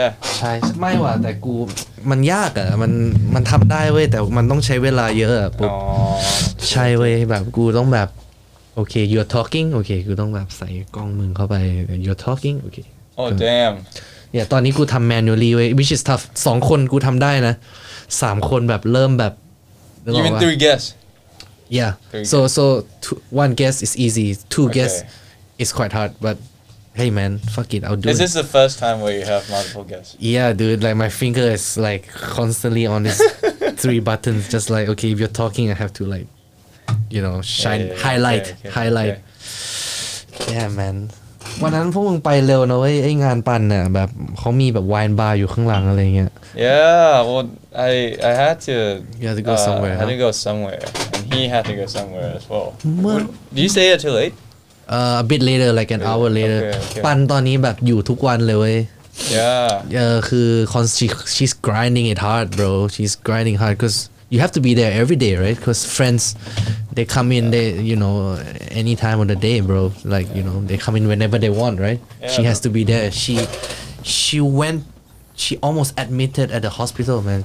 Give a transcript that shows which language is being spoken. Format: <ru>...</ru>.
<th>ใช่ไม่ว่ะแต่กูมันยากอ่ะมันทำได้เว้ยแต่มันต้องใช้เวลาเยอะอ่ะปุ๊ บใช่เว้ยแบบกูต้องแบบโอเค</th> <en>you're talking</en> <th>โอเคกูต้องแบบใส่กล้องมึงเข้าไป you're talking โอเค</th> <en>โอ้ damn</en> <th>เนี่ยตอนนี้กูทำ manually เว้ย</th> <en>which is tough</en> <th>2คนกูทำได้นะ3คนแบบเริ่มแบบ</th> <en>you mean 3 guess Yeah, so two, one guess is easy, two okay. guess is quite hard, but hey man, fuck it, I'll do it. Is this the first time where you have multiple guesses? Yeah, dude, like my finger is like constantly on these 3 buttons, just like, okay, if you're talking, I have to like, you know, shine, highlight. Okay. Yeah, man.</en> <th>วันนั้นพวกมึงไปเร็วนะเว้ยไอ้งานปั่นน่ะแบบเขามีแบบไวน์บาร์อยู่ข้างหลังอะไรเงี้ย</th> <en>Yeah, well, I had to You had to go somewhere, had to go somewhere. And he had to go somewhere as well. Did you stay here too late? A bit later, like an hour later. Okay, okay.</en> <th>ปั่นตอนนี้แบบอยู่ทุกวันเลยเว้ย</th> <en>Yeah. คือ she's grinding it hard, bro. She's grinding hard because you have to be there every day, right? Because friends... They come in, they, you know, any time of the day, bro. Like, you know, they come in whenever they want, right? Yeah, she has to be there. She almost admitted at the hospital, man.</en>